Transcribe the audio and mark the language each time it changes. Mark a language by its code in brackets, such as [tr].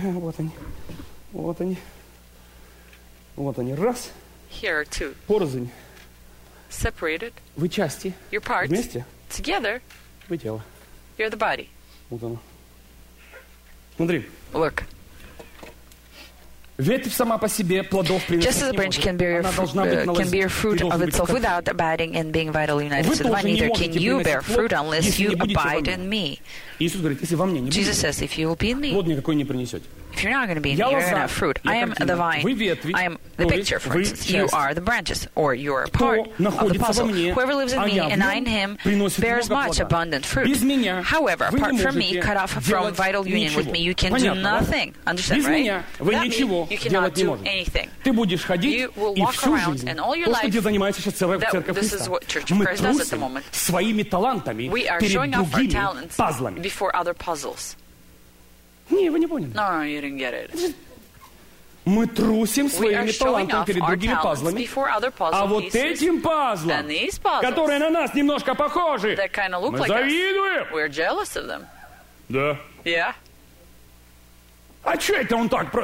[ru] Вот они. Вот они. Вот они. Раз. [en] Here are two. [ru] Порознь. [en] Separated. [ru] Вы части. [en] Your parts. [ru] Вместе. [en] Together. [ru] Вы тело. [en] You're the body. [ru] Вот оно. Смотри. [en] Look. [ru] Ветвь сама по себе плодов приносит. [en] Just as a branch can bear your fruit, of itself without abiding and being vitally united to the vine, neither can you bear fruit unless you abide in me. [ru] Иисус говорит, если во мне не будете, [en] Jesus says, if you will be in me, [ru] плод никакой не принесете. [en] If you're not going to be in me, you're going to have fruit. I am the vine. I am the picture, for instance. You are the branches, or you are a part of the puzzle. Whoever lives in me and I in him bears much abundant fruit. However, apart from me, cut off from vital union with me, you can do nothing. Understand, right? You cannot do anything. You will walk around and all your life, this is what Church of Christ does at the moment. [ru] Своими талантами, [en] we are showing off our talents before other puzzles. [ru] Не, вы не поняли. [en] No, you didn't get it. [ru] Мы трусим своими талантами перед другими пазлами. А вот этим пазлом, которые на нас немножко похожи, мы завидуем. [en] We're jealous of them. [ru] Да. [en] Yeah. [ru] А что это он так?